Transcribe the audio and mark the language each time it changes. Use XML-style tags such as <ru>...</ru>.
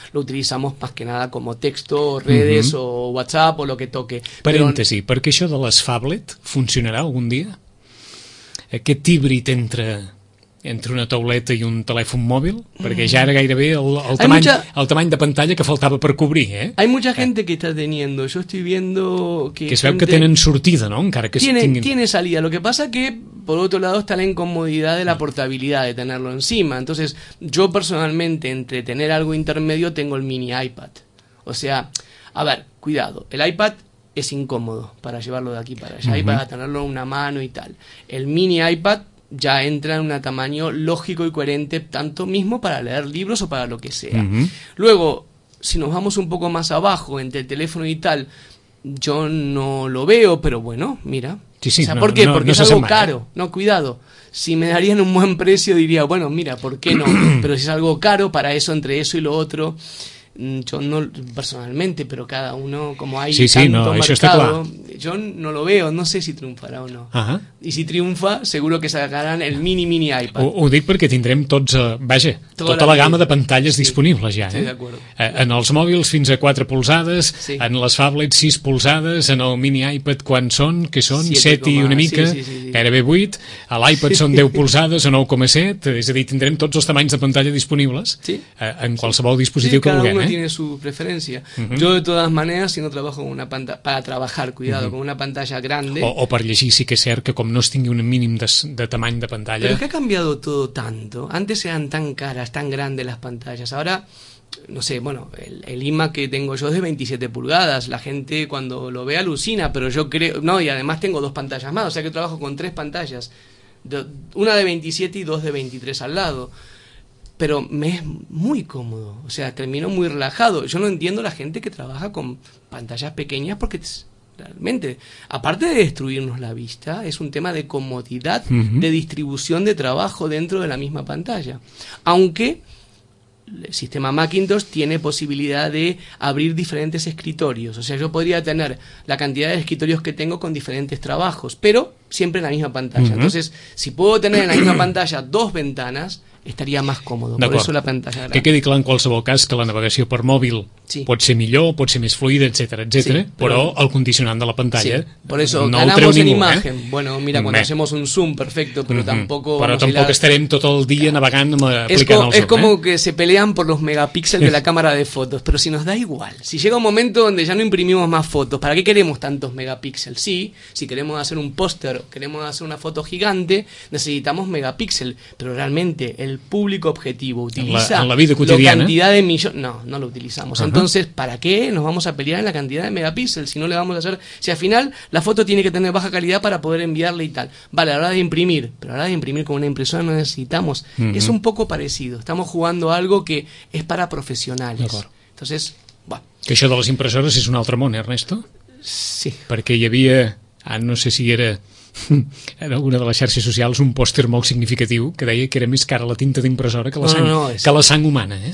<es>Lo utilizamos más que nada como texto, redes o WhatsApp o lo que toque.</es> <ca>Parèntesi, perquè això de les phablet funcionarà algun dia? Aquest híbrid entre una tauleta i un telèfon mòbil, perquè ja era gairebé el tamany de pantalla que faltava per cobrir, eh?</ca> <es>Hay mucha gente que está teniendo, yo estoy viendo que...</es> <ca>Que es veu que tenen sortida, no? Encara que</ca> <es>tiene salida, lo que pasa que, por otro lado, está la incomodidad de la portabilidad de tenerlo encima. Entonces, yo personalmente, entre tener algo intermedio, tengo el mini iPad. O sea, a ver, cuidado, el iPad es incómodo para llevarlo de aquí para allá, uh-huh. y para tenerlo en una mano y tal. El mini iPad ya entra en un tamaño lógico y coherente, tanto mismo para leer libros o para lo que sea. Uh-huh. Luego, si nos vamos un poco más abajo, entre el teléfono y tal, yo no lo veo, pero bueno, mira. Sí, sí, o sea, ¿por qué? Porque es algo caro. No, cuidado. Si me darían un buen precio, diría, bueno, mira, ¿por qué no? Pero si es algo caro, para eso, entre eso y lo otro... Yo no, personalmente, pero cada uno, como hay sí, sí, tanto no, mercado, eso está claro. Yo no lo veo, no sé si triunfará o no. Ajá. Y si triunfa, seguro que sacarán el mini iPad.</es> <ca>Ho dic perquè tindrem tots, vaja, tota la gamma de pantalles sí, disponibles ja. Sí, en els mòbils fins a 4 polzades, sí. En les phablets 6 polzades, en el mini iPad quan són? Que són 7 i una mica, gairebé sí, sí, sí, sí. 8. A l'iPad són 10 polzades o 9,7. És a dir, tindrem tots els tamanys de pantalla disponibles sí. En qualsevol dispositiu sí, que vulguem.</ca> <es>Tiene su preferencia. Uh-huh. Yo, de todas maneras, si no trabajo con una pantalla, para trabajar, cuidado, uh-huh. con una pantalla grande...</es> <ca>O per llegir, sí que és cert que com no es tingui un mínim de tamany de pantalla...</ca> <es>Pero es que ha cambiado todo tanto. Antes eran tan caras, tan grandes las pantallas. Ahora, no sé, bueno, el iMac que tengo yo es de 27 pulgadas. La gente cuando lo ve alucina, pero yo creo... No, y además tengo dos pantallas más, o sea que trabajo con tres pantallas. Una de 27 y dos de 23 al lado. Pero me es muy cómodo, o sea, termino muy relajado. Yo no entiendo la gente que trabaja con pantallas pequeñas porque realmente, aparte de destruirnos la vista, es un tema de comodidad, uh-huh. de distribución de trabajo dentro de la misma pantalla. Aunque el sistema Macintosh tiene posibilidad de abrir diferentes escritorios. O sea, yo podría tener la cantidad de escritorios que tengo con diferentes trabajos, pero siempre en la misma pantalla. Uh-huh. Entonces, si puedo tener en la misma pantalla dos ventanas...</es> <ca>estaria més còmode. D'acord. Per això la pantalla gran. Que quedi clar en qualsevol cas que la navegació per mòbil sí. pot ser millor, pot ser més fluida, etc, etc, sí, però el condicionant de la pantalla</ca> <es>sí. Por eso,</es> <ca>no el treu ningú.</ca> <es>Imagen. Eh? Bueno, mira, quan hacemos un zoom, perfecto, pero mm-hmm. tampoco...</es> <ca>Però tampoc estarem tot el dia claro. navegant aplicant el zoom.</ca> <es>Es como que se pelean por los megapíxeles de la cámara de fotos, pero si nos da igual. Si llega un momento donde ya no imprimimos más fotos, ¿para qué queremos tantos megapíxeles? Sí, si queremos hacer un póster, queremos hacer una foto gigante, necesitamos megapíxeles, pero realmente el público objetivo utiliza en la vida cotidiana. La cantidad de millones, no lo utilizamos. Uh-huh. Entonces, ¿para qué nos vamos a pelear en la cantidad de megapíxeles si no le vamos a hacer? Si al final la foto tiene que tener baja calidad para poder enviarle y tal. Vale, a la hora de imprimir, pero a la hora de imprimir con una impresora no necesitamos. Uh-huh. Es un poco parecido. Estamos jugando algo que es para profesionales.</es> <ca>D'acord.</ca> <es>Entonces, va.</es> <ca>Que això de les impressores és un altre món, Ernesto? Sí. Perquè hi havia, no sé si era en alguna de les xarxes socials, un pòster molt significatiu que deia que era més cara la tinta d'impressora que la sang, que la sang humana, eh?</ca>